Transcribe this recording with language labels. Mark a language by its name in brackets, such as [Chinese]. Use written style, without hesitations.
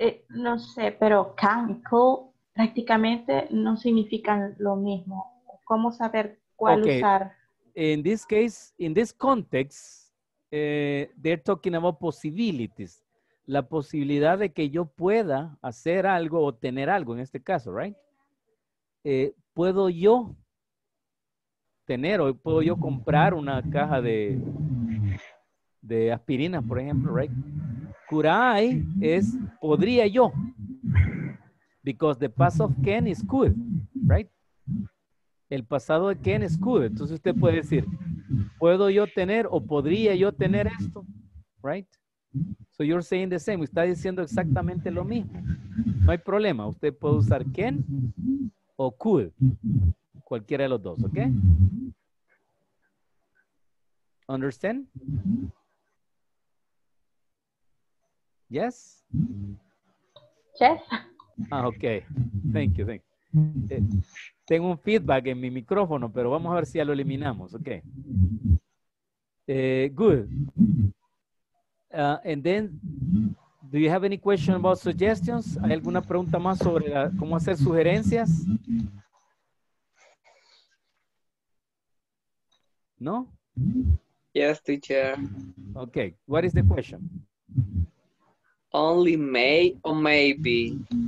[Spanish] No sé, pero can y call prácticamente no significan lo mismo. ¿Cómo saber cuál usar? [English] In this case, in this context, they're talking about possibilities. [Spanish] La posibilidad de que yo pueda hacer algo o tener algo, en este caso, right? ¿Puedo yo tener o puedo yo comprar una caja de aspirinas, por ejemplo, right? [English] Could I [Spanish] es podría yo. [English] Because the past of can is could, right? [Spanish] El pasado de can is could. Entonces usted puede decir, ¿puedo yo tener o podría yo tener esto? [English] Right? So you're saying the same. [Spanish] Está diciendo exactamente lo mismo. No hay problema. Usted puede usar can o could. Cualquiera de los dos, ¿ok? [English] Understand? Yes? Yes. Ah, ok. Thank you, thank you. [Spanish] Tengo un feedback en mi micrófono, pero vamos a ver si ya lo eliminamos, ¿ok? [English] Good. And then, do you have any question about suggestions? [Spanish] ¿Hay alguna pregunta más sobre cómo hacer sugerencias? ¿No? [English] Yes, teacher. Okay, what is the question? Only may or maybe.